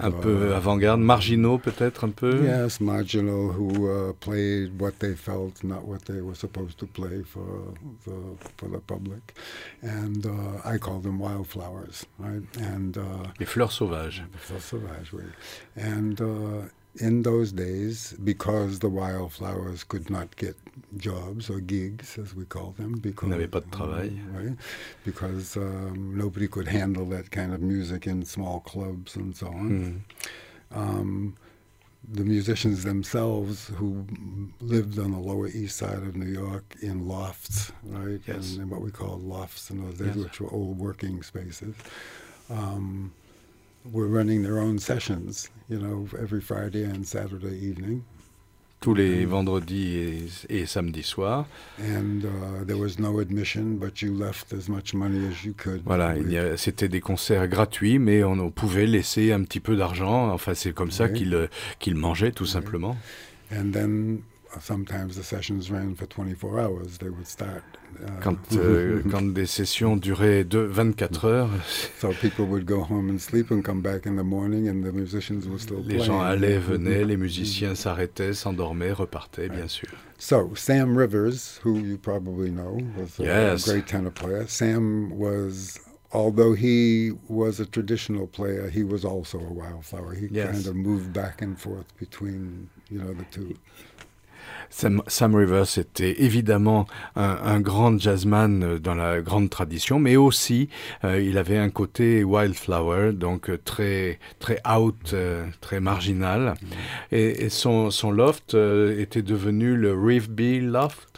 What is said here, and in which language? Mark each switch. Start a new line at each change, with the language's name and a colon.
French: Un peu avant-garde, marginaux peut-être un peu.
English: Yes, marginal, who played what they felt, not what they were supposed to play for the public. And I call them wildflowers, right? And
French: les fleurs sauvages. Les fleurs sauvages, oui.
English: And in those days, because the wildflowers could not get jobs or gigs, as we call them, because
French: n'avaient pas de travail,
English: right? Because nobody could handle that kind of music in small clubs and so on. Mm-hmm. The musicians themselves, who lived on the Lower East Side of New York in lofts, right? Yes. And what we call lofts in those days, yes, which were old working spaces. Were running their own sessions, you know, every Friday and Saturday evening.
French: Tous les vendredis et samedis soirs.
English: And there was no admission, but you left as much money as you could.
French: Voilà, c'était des concerts gratuits, mais on pouvait laisser un petit peu d'argent. Enfin, c'est comme ça qu'ils mangeaient, tout simplement.
English: And then sometimes the sessions ran for 24 hours. They would start.
French: Quand des sessions duraient 24 heures.
English: So people would go home and sleep and come back in the morning, and the musicians were still playing.
French: Les gens allaient, venaient, les musiciens s'arrêtaient, s'endormaient, repartaient, right. Bien sûr.
English: So Sam Rivers, who you probably know, was a great tenor player. Sam was. Although he was a traditional player, he was also a wildflower. He kind of moved back and forth between, you know, the two.
French: Sam Rivers était évidemment un grand jazzman dans la grande tradition, mais aussi il avait un côté wildflower, donc très, très out, très marginal. Et son loft était devenu le Rivby Loft.